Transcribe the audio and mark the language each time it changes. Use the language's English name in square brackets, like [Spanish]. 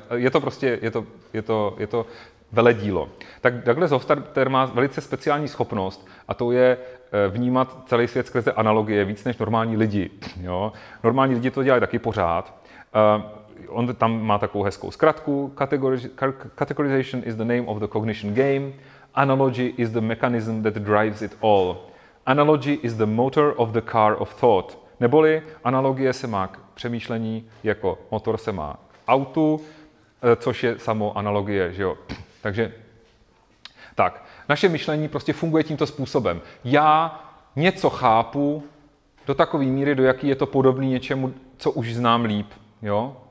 [Czech] A je to prostě, je to veledílo. Tak Douglas Hofstadter má velice speciální schopnost, a to je vnímat celý svět skrze analogie víc než normální lidi. Jo? Normální lidi to dělají taky pořád. On tam má takovou hezkou zkratku. [English] Categorization is the name of the cognition game. Analogy is the mechanism that drives it all. Analogy is the motor of the car of thought. [Czech] Neboli analogie se má k přemýšlení, jako motor se má k autu, což je samo analogie, že jo. Takže, tak, naše myšlení prostě funguje tímto způsobem. Já něco chápu do takové míry, do jaký je to podobný něčemu, co už znám líp, jo.